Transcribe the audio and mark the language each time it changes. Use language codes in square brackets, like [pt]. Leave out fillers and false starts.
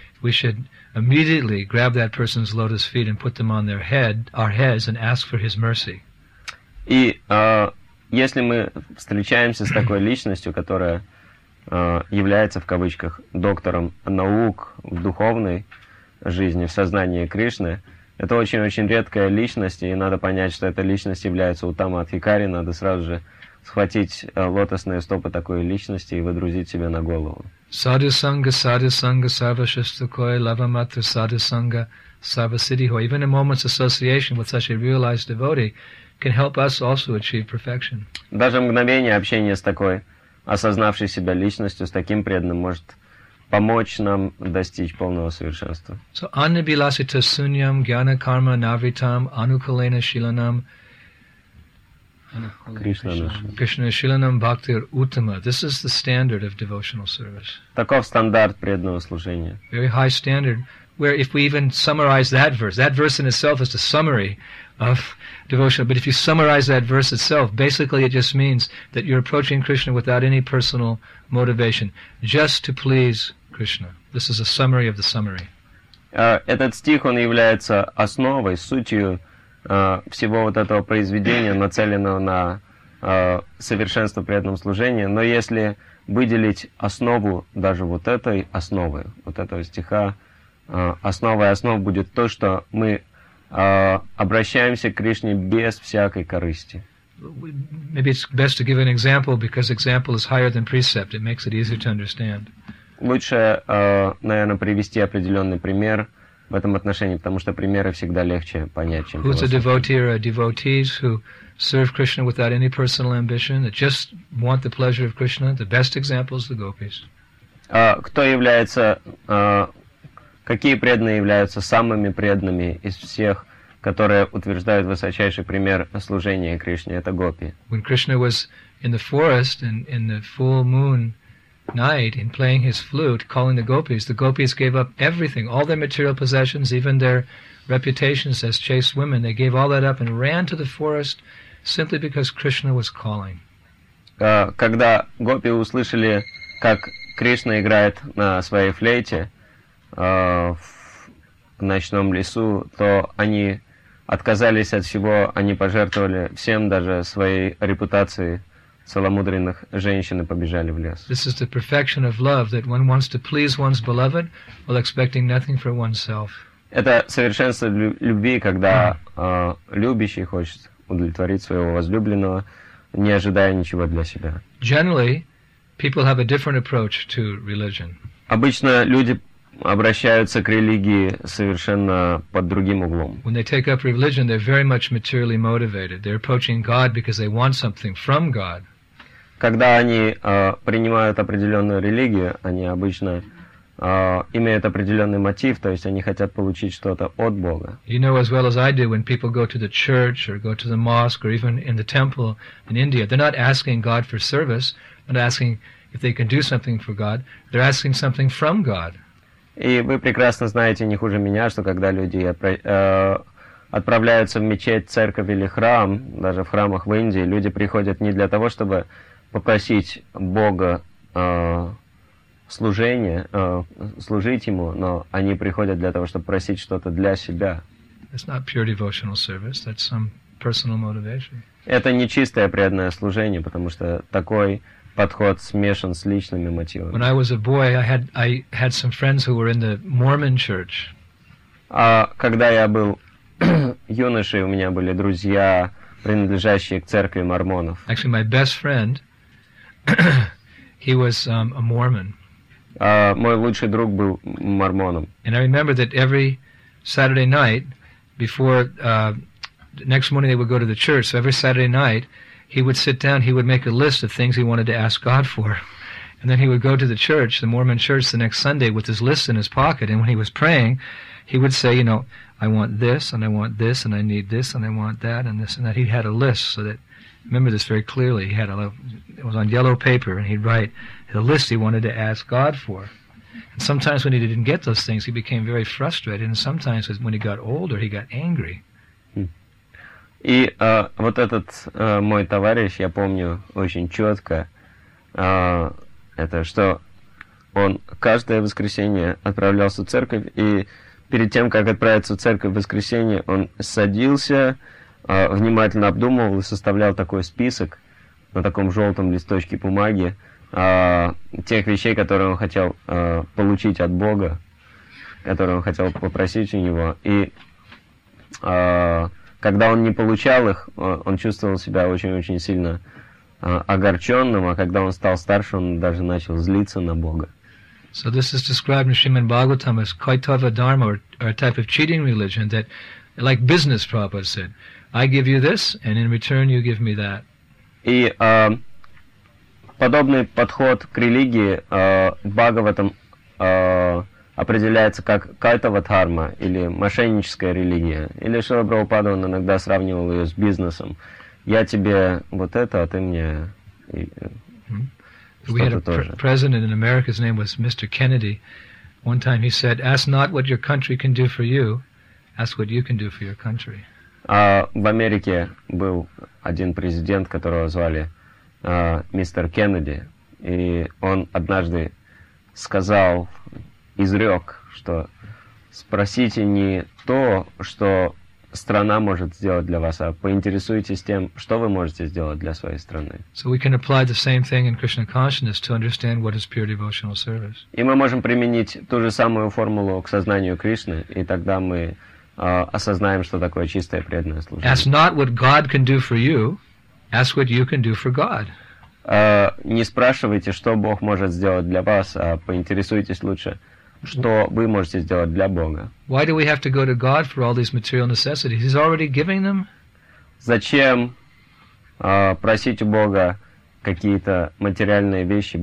[en] We should immediately grab that person's lotus feet and put them on their head, our heads, and ask for his mercy. [ru] И если мы встречаемся с такой личностью, которая является в кавычках доктором наук в духовной жизни, в сознании Кришны, это очень-очень редкая личность, и надо понять, что эта личность является Уттама Адхикари, надо сразу же схватить лотосные стопы такой личности и выдрузить себе на голову. [sa] Садхусанга, сарвашастакой, лавамата, садхусанга, сарвасиддхи. [en] Even a moment's association with such a realized devotee can help us also achieve perfection. [ru] Даже мгновение общения с такой осознавшей себя личностью, с таким преданным, может помочь нам достичь полного совершенства. [sa] So, anabilasita sunyam jnana karma navritam anukulena shilanam Krishna shilanam bhaktir uttama. [en] This is the standard of devotional service. [ru] Таков стандарт преданного служения. [en] Very high standard, where if we even summarize that verse in itself is the summary of devotion. But if you summarize that verse itself, basically it just means that you're approaching Krishna without any personal motivation, just to please Krishna. This is a summary of the summary. [ru] Этот стих, он является основой, сутью всего вот этого произведения, нацеленного на совершенство преданного служения. Но если выделить основу даже вот этой основы, вот этого стиха, основой основы будет то, что мы обращаемся к Кришне без всякой корысти. [en] Maybe it's best to give an example, because example is higher than precept. It makes it easier to understand. [ru] Лучше, наверное, привести определенный пример в этом отношении, потому что примеры всегда легче понять, чем философия. [en] Who's a devotee or a devotees who serve Krishna without any personal ambition, that just want the pleasure of Krishna, the best example is the gopis. [ru] Кто является, какие преданные являются самыми преданными из всех, которые утверждают высочайший пример служения Кришне, это гопи. [en] When Krishna was in the forest in the full moon night in playing his flute, calling the gopis gave up everything, all their material possessions, even their reputations as chaste women, they gave all that up and ran to the forest simply because Krishna was calling. [ru] Когда гопи услышали, как Кришна играет на своей флейте в ночном лесу, то они отказались от всего, они пожертвовали всем, даже своей репутацией целомудренных женщин, и побежали в лес. [en] This is the perfection of love, that one wants to please one's beloved while expecting nothing for oneself. [ru] Это совершенство любви, когда любящий хочет удовлетворить своего возлюбленного, не ожидая ничего для себя. [en] Generally, people have a different approach to religion. [ru] Обычно люди обращаются к религии совершенно под другим углом. [en] When they take up religion, they're very much materially motivated. They're approaching God because they want something from God. [ru] Когда они принимают определенную религию, они обычно имеют определенный мотив, то есть они хотят получить что-то от Бога. [en] You know as well as I do, when people go to the church or go to the mosque or even in the temple in India, they're not asking God for service, they're not asking if they can do something for God, they're asking something from God. [ru] И вы прекрасно знаете, не хуже меня, что когда люди отправляются в мечеть, церковь или храм, даже в храмах в Индии, люди приходят не для того, чтобы попросить Бога служения, служить Ему, но они приходят для того, чтобы просить что-то для себя. [en] It's not pure devotional service, that's some personal motivation. [ru] Это не чистое преданное служение, потому что такой подход смешан с личными мотивами. [en] When I was a boy, I had some friends who were in the Mormon church. [ru] А когда я был юношей, у меня были друзья, принадлежащие к церкви мормонов. [en] Actually, my best friend, he was a Mormon. [ru] Мой лучший друг был мормоном. [en] And I remember that every Saturday night, before the next morning they would go to the church, so every Saturday night he would sit down, he would make a list of things he wanted to ask God for. And then he would go to the church, the Mormon church, the next Sunday with his list in his pocket. And when he was praying, he would say, you know, I want this, and I want this, and I need this, and I want that, and this, and that. He had a list, so that, remember this very clearly, he had a it was on yellow paper, and he'd write the list he wanted to ask God for. And sometimes when he didn't get those things, he became very frustrated, and sometimes when he got older, he got angry. [ru] И вот этот мой товарищ, я помню очень четко, это что он каждое воскресенье отправлялся в церковь, и перед тем, как отправиться в церковь в воскресенье, он садился, внимательно обдумывал и составлял такой список на таком желтом листочке бумаги тех вещей, которые он хотел получить от Бога, которые он хотел попросить у него. И когда он не получал их, он чувствовал себя очень-очень сильно огорченным, а когда он стал старше, он даже начал злиться на Бога. [en] So this is described in Srimad Bhagavatam as Kaitava Dharma, or a type of cheating religion, that, like business, Prabhupada said, I give you this, and in return you give me that. [ru] И подобный подход к религии Бхагаватам определяется как кайтава-дхарма, или мошенническая религия. Или Шрила Прабхупада, он иногда сравнивал ее с бизнесом. Я тебе вот это, а ты мне что-то тоже. [en] President in America, his name was Mr. Kennedy. One time he said, ask not what your country can do for you, ask what you can do for your country. [ru] В Америке был один президент, которого звали мистер Кеннеди, и он однажды сказал, изрек, что спросите не то, что страна может сделать для вас, а поинтересуйтесь тем, что вы можете сделать для своей страны. [en] So we can apply the same thing in Krishna consciousness to understand what is pure devotional service. [ru] И мы можем применить ту же самую формулу к сознанию Кришны, и тогда мы осознаем, что такое чистое преданное служение. [en] Ask not what God can do for you, ask what you can do for God. [ru] Не спрашивайте, что Бог может сделать для вас, а поинтересуйтесь лучше, что вы можете сделать для Бога. [en] Why do we have to go to God for all these material necessities? He's already giving them. [ru] Зачем просить у Бога какие-то материальные вещи?